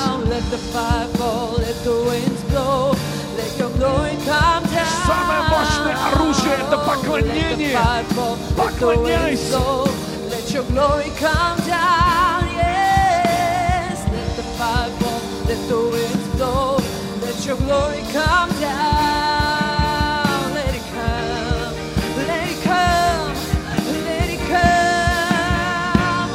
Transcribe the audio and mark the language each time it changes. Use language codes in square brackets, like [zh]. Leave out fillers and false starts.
[en] Let the fire fall, let the winds blow, let your glory come down. [ru] Самое мощное оружие это поклонение. [en] Let the fire fall, let the winds blow, let your glory come down. Yes, let the fire fall, let the winds blow. Let your glory come down. Let it come. Let it come. Let it come.